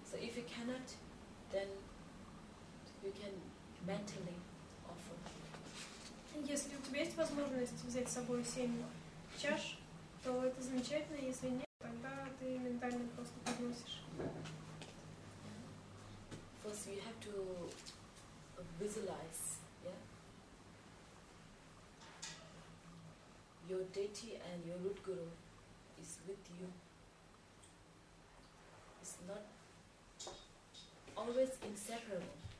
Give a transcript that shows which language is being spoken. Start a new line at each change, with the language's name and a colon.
English: So if you cannot, then you can mentally offer.
Russian: Если у тебя есть возможность взять с собой семь чаш, то это замечательно, если нет, тогда ты ментально просто подносишь.
English: First you have to visualize, yeah? Your deity and your root guru is with you. It's not always inseparable.